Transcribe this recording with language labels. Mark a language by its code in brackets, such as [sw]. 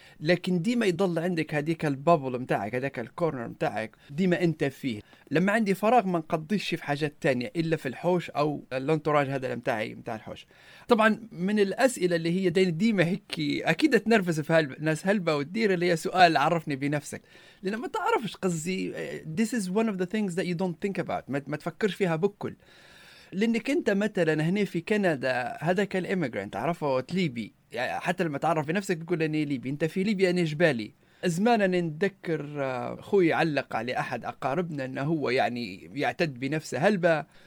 [ar] لكن ديما يضل عندك هذيك البابل متاعك هذاك الكورنر متاعك ديما أنت فيه. لما عندي فراغ ما نقضيش في حاجات تانية إلا في الحوش أو اللونتوراج هذا متاعي متاع الحوش. طبعا من الأسئلة اللي هي ديما هيكي أكيد تنرفز في هلبة ناس هلبة وتدير اللي هي سؤال عرفني بنفسك. لأن ما تعرفش قصدي [en] this is one of the things that you don't think about. [ar] ما تفكرش فيها بكل. لأنك أنت مثلا هنا في كندا هذاك الإيميغرانت عرفه ليبي يعني. حتى لما تعرف في نفسك تقول أني ليبي. أنت في ليبيا أنا جبالي. زمانا نتذكر أخوي علق على أحد أقاربنا أنه هو يعني يعتد بنفسه هلبة.